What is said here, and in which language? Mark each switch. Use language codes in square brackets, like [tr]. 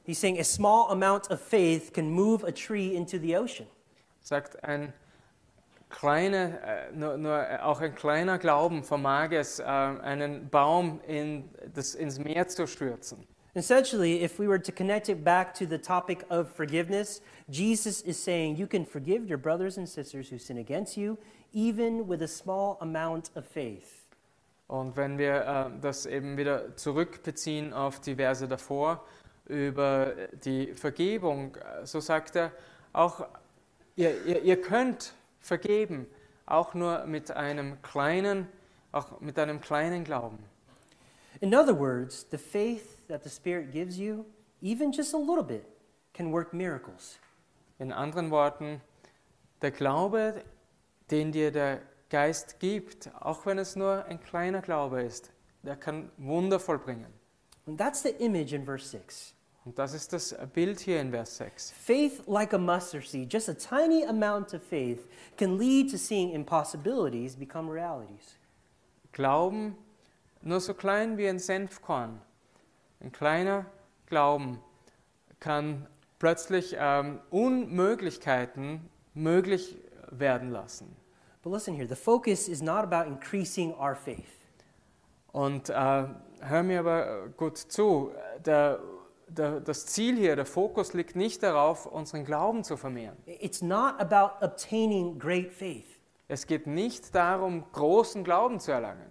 [en] He's saying a small amount of faith can move a tree into the ocean. [de] Sagt ein kleiner, nur auch ein kleiner Glauben vermag es, einen Baum ins Meer zu stürzen. [en] Essentially, if we were to connect it back to the topic of forgiveness, Jesus is saying you can forgive your brothers and sisters who sin against you, even with a small amount of faith. [de] Und wenn wir das eben wieder zurückbeziehen auf die Verse davor über die Vergebung, so sagt er auch, ihr könnt vergeben, auch nur mit einem kleinen, auch mit einem kleinen Glauben. [en] In other words, the faith that the Spirit gives you, even just a little bit, can work miracles. [de] In anderen Worten, der Glaube, den dir der Geist gibt, auch wenn es nur ein kleiner Glaube ist, der kann Wunder vollbringen. [en] And that's the image in verse 6. [de] Und das ist das Bild hier in Vers 6. [en] Faith like a mustard seed, just a tiny amount of faith, can lead to seeing impossibilities become realities. [de] Glauben, nur so klein wie ein Senfkorn, ein kleiner Glauben, kann plötzlich Unmöglichkeiten möglich werden lassen. [en] But listen here, the focus is not about increasing our faith. [de] Und hör mir aber gut zu, das Ziel hier, der Fokus liegt nicht darauf, unseren Glauben zu vermehren. [en] It's not about obtaining great faith. [de] Es geht nicht darum, großen Glauben zu erlangen.